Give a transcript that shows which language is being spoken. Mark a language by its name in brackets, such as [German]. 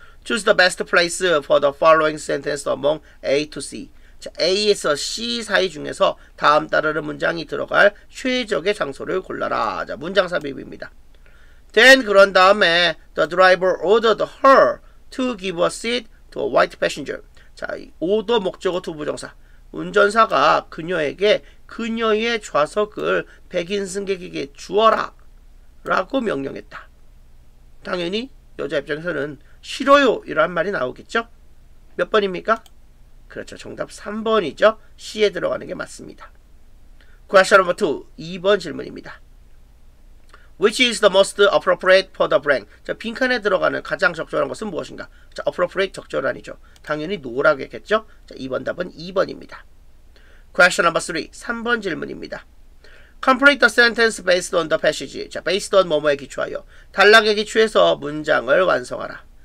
[English] Choose the best place for the following sentence among A to C. [Korean] 자, A에서 C 사이 중에서 다음 따르는 문장이 들어갈 최적의 장소를 골라라. 자, 문장 삽입입니다. [English] Then [Korean] 그런 다음에 [English] the driver ordered her to give a seat to a white passenger. [Korean] 자, 오더 목적어 to 부정사. 운전사가 그녀에게 그녀의 좌석을 백인 승객에게 주어라 라고 명령했다. 당연히 여자 입장에서는 싫어요 이란 말이 나오겠죠. 몇 번입니까? 그렇죠, 정답 3번이죠. C에 들어가는 게 맞습니다. [English] Question number 2. [Korean] 2번 질문입니다. [English] Which is the most appropriate for the blank? [Korean] 자, 빈칸에 들어가는 가장 적절한 것은 무엇인가? 자, appropriate 적절한이죠. 당연히 no라고 했겠죠? 자, 2번 답은 2번입니다. [English] Question number 3. [Korean] 3번 질문입니다. [English] Complete the sentence based on the passage. 자, based on [Korean] 뭐뭐에 기초하여. 단락에 기초해서 문장을 완성하라.